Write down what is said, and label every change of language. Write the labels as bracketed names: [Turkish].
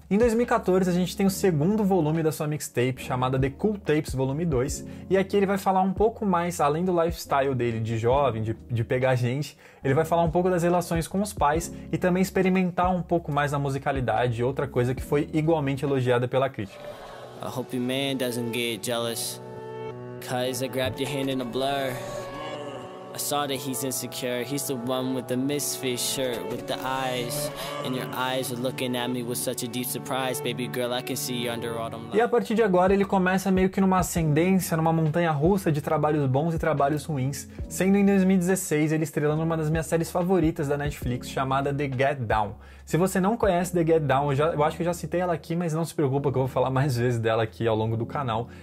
[Portuguese] Em 2014, a gente tem o segundo volume da sua mixtape, chamada The Cool Tapes Volume 2, e aqui ele vai falar um pouco mais, além do lifestyle dele de jovem, de pegar gente, ele vai falar um pouco das relações com os pais, e também experimentar um pouco mais a musicalidade, outra coisa que foi igualmente elogiada pela crítica. [English] I hope your man doesn't get jealous, 'cause I grabbed your hand in a blur. I saw that he's insecure. He's the one with the misfit shirt with the eyes. And your eyes are looking at me with such a deep surprise. Baby girl, I can see you under autumn [Portuguese] light. E a partir de agora ele começa meio que numa ascendência, numa montanha russa de trabalhos bons e trabalhos ruins, sendo em 2016 ele estrelando uma das minhas séries favoritas da Netflix, chamada The Get Down. Se você não conhece The Get Down, eu acho que eu já citei ela aqui, mas não se preocupa que eu vou falar mais vezes dela aqui ao longo do canal.